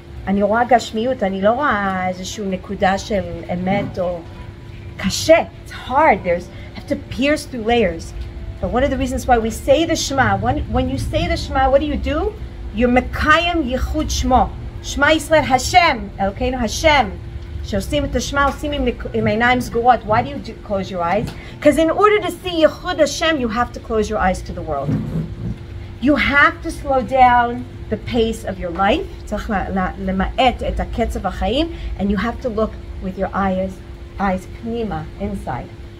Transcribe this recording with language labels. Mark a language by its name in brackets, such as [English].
[Hebrew] אני רואה גשמיות, אני לא רואה איזושהי נקודה של אמת או קשה. [English] It's hard, there's, have to pierce through layers. But one of the reasons why we say the Shema, when you say the Shema, what do? [Hebrew] You're mekayim yichud Shmo. Shema Yisrael Hashem, Elokeinu Hashem. שעושים את השמה, עושים עם עיניים סגורות. [English] Why do you close your eyes? Because in order to see yichud Hashem, you have to close your eyes to the world. You have to slow down the pace of your life. [Hebrew] צריך למעט את הקצב החיים, [English] and you have to look with your eyes [Hebrew] פנימה, [English] inside.